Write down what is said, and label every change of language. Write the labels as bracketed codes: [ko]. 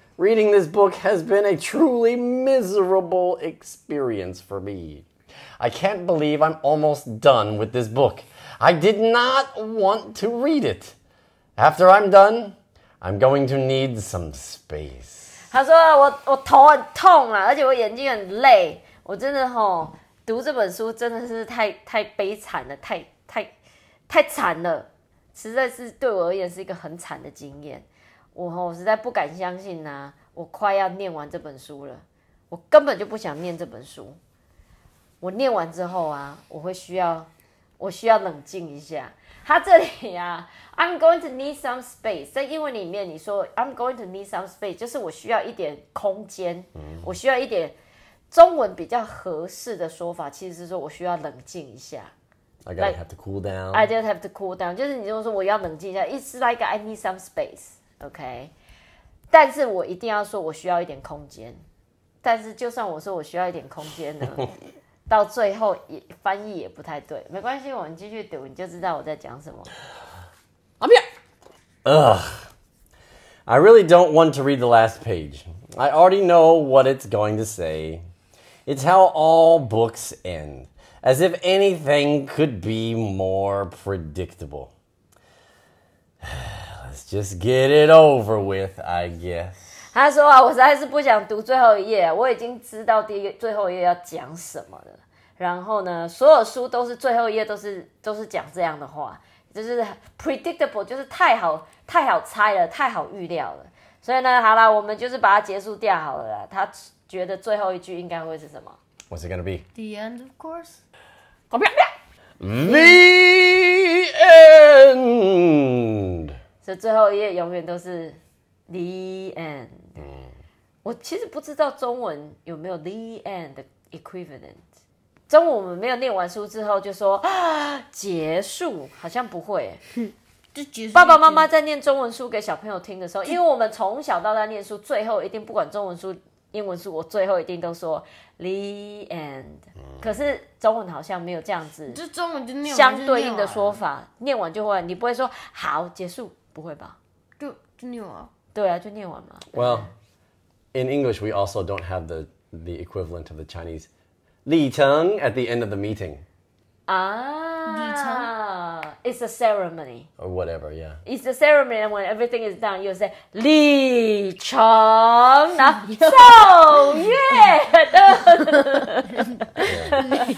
[en] Reading this book has been a truly miserable experience for me. I can't believe I'm almost done with this book. I did not want to read it. After I'm done, I'm going to need some space. [zh] 他说我头很痛啊，而且我眼睛很累。我真的吼，读这本书真的是太悲惨了，太惨了，实在是对我而言是一个很惨的经验。我实在不敢相信啊，我快要念完这本书了，我根本就不想念这本书。我念完之后啊，我需要冷静一下。他这里啊 ， [en] I'm going to need some space， [zh] 在英文里面你说 [en] I'm going to need some space， [zh] 就是我需要一点空间，我需要一点。中文比较合适的说法其实是说我需要冷静一下。 [en] I gotta have to cool down. I just have to cool down， [zh] 就是你就说我要冷静一下 [en] ，It's like I need some space。 [zh] OK， 但是我一定要说，我需要一点空间。但是就算我说我需要一点空间呢，到最后也翻译也不太对。没关系，我们继续读，你就知道我在讲什么。 [en] 阿彪 ，Ugh， I really don't want to read the last page. I already know what it's going to say. It's how all books end, as if anything could be more predictable. Let's just get it over with, I guess. [zh] 他说啊，我实在是不想读最后一页，我已经知道第一最后一页要讲什么了。然后呢，所有书都是最后一页都是讲这样的话，就是 predictable， 就是太好猜了，太好预料了。所以呢，好啦，我们就是把它结束掉好了啦。他觉得最后一句应该会是什么 [en] ？What's it gonna be? The end, of course. The end. [zh] 所以最后一页永远都是 [en] the end.、 [zh] Mm. 我其实不知道中文有没有 [en] the end equivalent. [zh] 中午我们没有念完书之后就说、啊、结束，好像不会、欸。就结束。爸爸妈妈在念中文书给小朋友听的时候，因为我们从小到大念书，最后一定不管中文书、英文书，我最后一定都说 [en] the end、 [zh] 嗯。可是中文好像没有这样子，就中文就念完相对应的说法，念完就会，你不会说好结束，不会吧？就念完。对啊，就念完嘛。 [en] Well, in English, we also don't have the equivalent of the Chinese. Li Cheng at the end of the meeting. Ah, Li Cheng. It's a ceremony. Or whatever, yeah. It's a ceremony, and when everything is done, you say, Li Cheng, na Chou Yue.